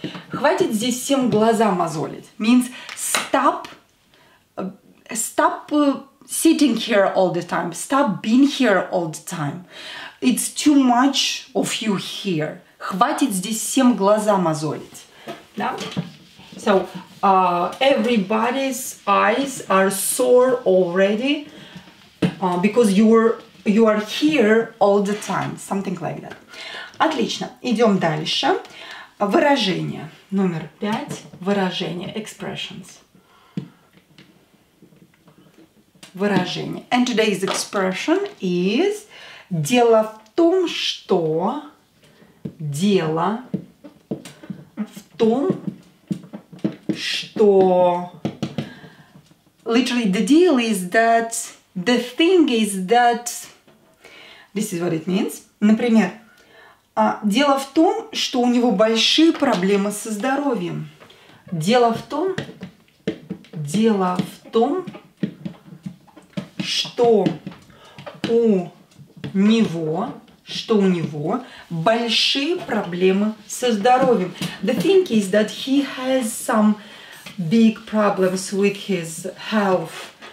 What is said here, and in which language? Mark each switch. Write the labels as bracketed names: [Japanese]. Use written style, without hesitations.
[Russian] Хватит здесь всем глаза мозолить. [English] Means stop sitting here all the time. Stop being here all the time. It's too much of you here. [Russian] Хватит здесь всем глаза мозолить. Да? [English] So, everybody's eyes are sore already because you are here all the time. Something like that. [Russian] Отлично. Идем дальше. Выражение. Номер 5. Выражение. [English] Expressions. [Russian] Выражение. [English] And today's expression is [Russian] дело в том, что [English] дело в том, что literally the deal is that the thing is that this is what it means. [Russian] Например, дело в том, что у него большие проблемы со здоровьем. Дело в том, что у него большие проблемы со здоровьем. [English] The thing is that he has some big problems with his health.